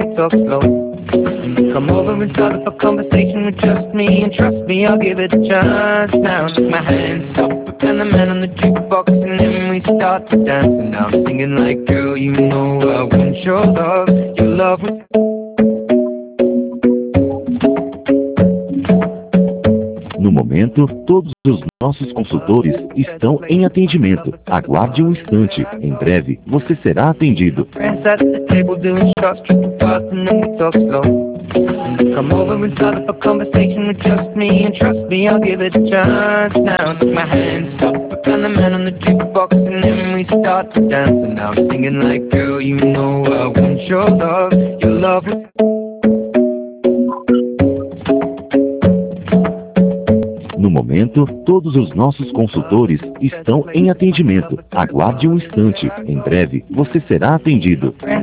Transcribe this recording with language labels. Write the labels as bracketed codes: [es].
[en] Come over and start up a conversation with just me, and trust me, I'll give it a chance. Now I'll take my hands off, and the man on the jukebox, and then we start to dance. And now I'm singing like, girl, you know I want your love was. [pt] No momento, todos os nossos consultores estão em atendimento. Aguarde um instante. Em breve, você será atendido. [en] Come over and start up a conversation with just me, and trust me, I'll give it a chance. Now I'll take my hands off, and the man on the jukebox, and then we start to dance. And now I'm singing like, girl, you know I want your love was. [pt] No momento, todos os nossos consultores estão em atendimento. Aguarde um instante. Em breve, você será atendido.